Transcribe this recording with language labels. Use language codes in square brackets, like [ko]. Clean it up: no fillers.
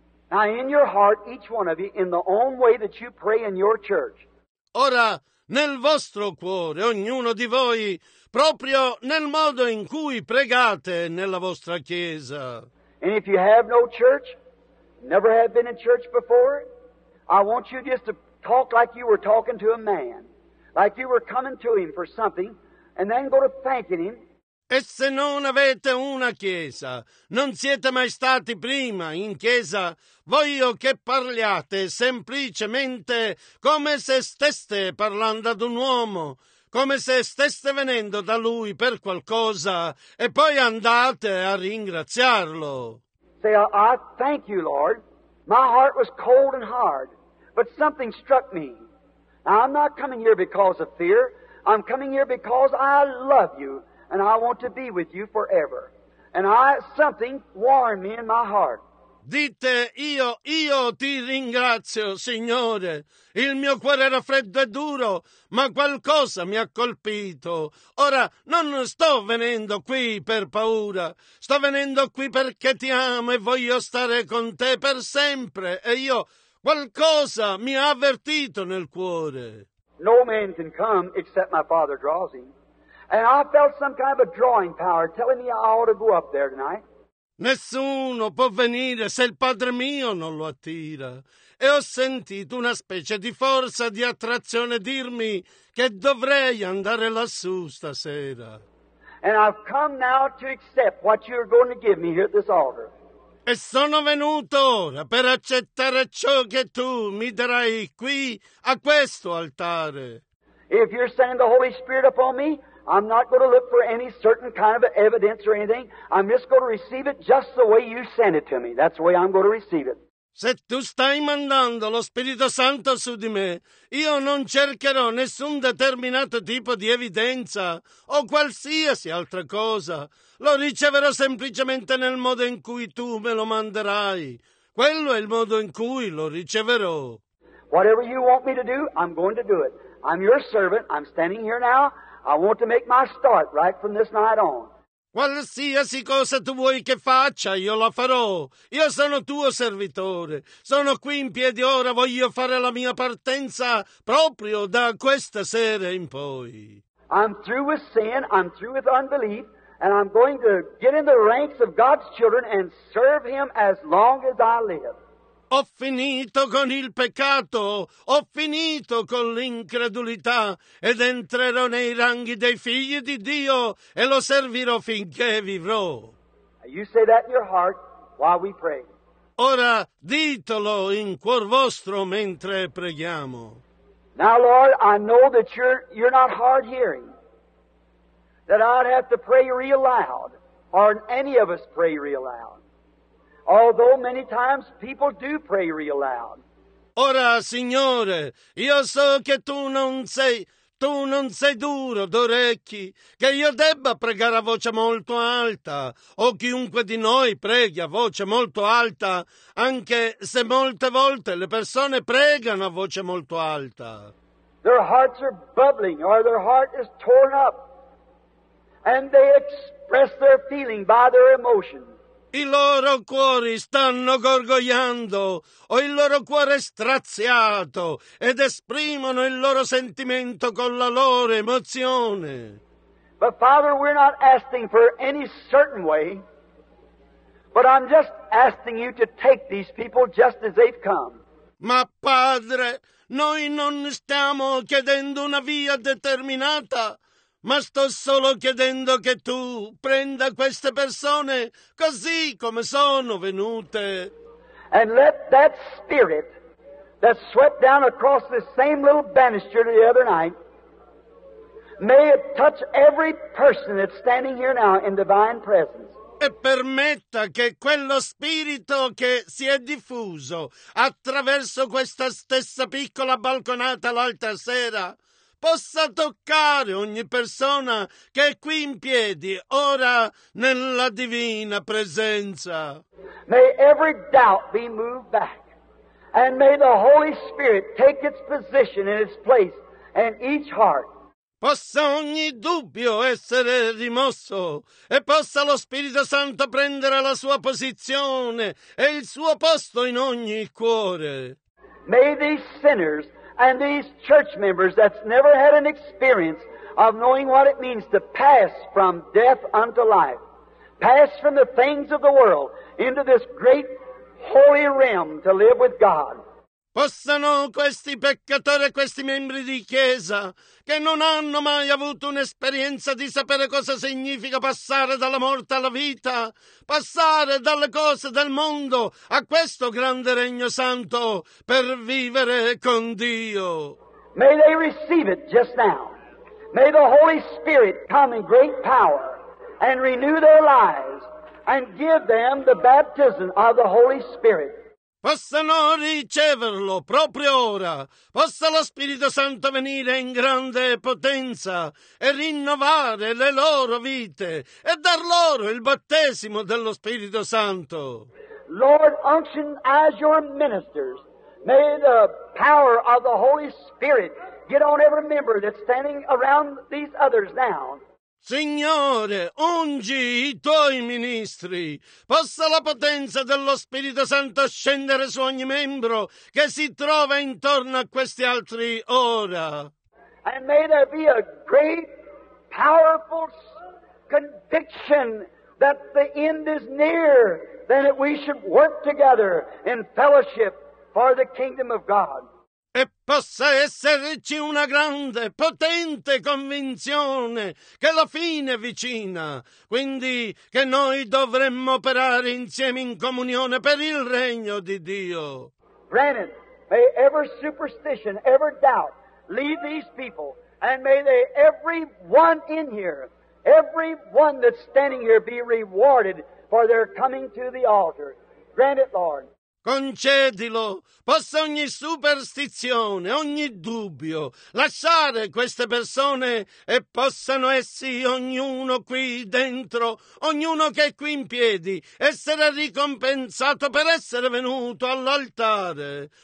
[en] Now in your heart, each one of you, in the own way that you pray in your church. [it] Ora, nel vostro cuore, ognuno di voi, proprio nel modo in cui pregate nella vostra chiesa. [en] And if you have no church, never have been in church before, I want you just to talk like you were talking to a man, like you were coming to him for something, and then go to thanking him. [it] E se non avete una chiesa, non siete mai stati prima in chiesa, voglio che parliate semplicemente come se steste parlando ad un uomo, come se steste venendo da lui per qualcosa e poi andate a ringraziarlo. [en] Say, I thank you, Lord. My heart was cold and hard, but something struck me. Now, I'm not coming here because of fear. I'm coming here because I love you and I want to be with you forever. And something warmed me in my heart. [it] Dite, io ti ringrazio, Signore. Il mio cuore era freddo e duro, ma qualcosa mi ha colpito. Ora non sto venendo qui per paura. Sto venendo qui perché ti amo e voglio stare con te per sempre. E io, qualcosa mi ha avvertito nel cuore. [en] No man can come except my Father draws him. And I felt some kind of a drawing power telling me I ought to go up there tonight. [it] Nessuno può venire se il Padre mio non lo attira. E ho sentito una specie di forza di attrazione dirmi che dovrei andare lassù stasera. [en] And I've come now to accept what you're going to give me here at this altar. [it] E sono venuto ora per accettare ciò che tu mi darai qui a questo altare. [en] If you're sending the Holy Spirit upon me, I'm not going to look for any certain kind of evidence or anything. I'm just going to receive it just the way you sent it to me. That's the way I'm going to receive it. [it] Se tu stai mandando lo Spirito Santo su di me, io non cercherò nessun determinato tipo di evidenza o qualsiasi altra cosa. Lo riceverò semplicemente nel modo in cui tu me lo manderai. Quello è il modo in cui lo riceverò. [en] Whatever you want me to do, I'm going to do it. I'm your servant. I'm standing here now. I want to make my start right from this night on. [it] Qualsiasi cosa tu vuoi che faccia, io la farò. Io sono tuo servitore. Sono qui in piedi ora, voglio fare la mia partenza proprio da questa sera in poi. [en] I'm through with sin, I'm through with unbelief, and I'm going to get in the ranks of God's children and serve Him as long as I live. [it] Ho finito con il peccato, ho finito con l'incredulità ed entrerò nei ranghi dei figli di Dio e lo servirò finché vivrò. [en] You say that in your heart while we pray. [it] Ora ditelo in cuor vostro mentre preghiamo. [en] Now, Lord, I know that you're not hard hearing, that I'd have to pray real loud, or any of us pray real loud. Although many times people do pray real loud. [it] Ora, Signore, io so che tu non sei duro d'orecchi, che io debba pregare a voce molto alta, o chiunque di noi preghi a voce molto alta, anche se molte volte le persone pregano a voce molto alta. [en] Their hearts are bubbling, or their heart is torn up, and they express their feeling by their emotions. [it] I loro cuori stanno gorgogliando, o il loro cuore è straziato, ed esprimono il loro sentimento con la loro emozione. [en] But Father, we're not asking for any certain way, but I'm just asking you to take these people just as they've come. [it] Ma Padre, noi non stiamo chiedendo una via determinata, ma sto solo chiedendo che tu prenda queste persone così come sono venute. [en] And let that spirit that swept down across this same little banister the other night, may it touch every person that's standing here now in divine presence. [it] E permetta che quello spirito che si è diffuso attraverso questa stessa piccola balconata l'altra sera possa toccare ogni persona che è qui in piedi, ora nella divina presenza. [en] May every doubt be moved back, and may the Holy Spirit take its position in its place in each heart. [it] Possa ogni dubbio essere rimosso, e possa lo Spirito Santo prendere la sua posizione e il suo posto in ogni cuore. [en] May these sinners and these church members that's never had an experience of knowing what it means to pass from death unto life, pass from the things of the world into this great holy realm to live with God. [it] Possano questi peccatori, questi membri di chiesa, che non hanno mai avuto un'esperienza di sapere cosa significa passare dalla morte alla vita, passare dalle cose del mondo a questo grande regno santo per vivere con Dio. [en] May they receive it just now. May the Holy Spirit come in great power and renew their lives and give them the baptism of the Holy Spirit. [it] Possano riceverlo proprio ora. Possa lo Spirito Santo venire in grande potenza e rinnovare le loro vite e dar loro il battesimo dello Spirito Santo. [en] Lord, unction as your ministers. May the power of the Holy Spirit get on every member that's standing around these others now. [it] Signore, ungi i tuoi ministri. Possa la potenza dello Spirito Santo scendere su ogni membro che si trova intorno a questi altri ora. [en] And may there be a great, powerful conviction that the end is near, then that we should work together in fellowship for the kingdom of God. [it] E possa esserci una grande, potente convinzione che la fine è vicina, quindi che noi dovremmo operare insieme in comunione per il regno di Dio. [en] Brennan, may every superstition, every doubt leave these people, and may they, every one in here, every one that's standing here be rewarded for their coming to the altar. Grant it, Lord. [it] Concedilo, possa ogni superstizione, ogni dubbio, lasciare queste persone e possano essi ognuno qui dentro, ognuno che è qui in piedi, essere ricompensato per essere venuto all'altare.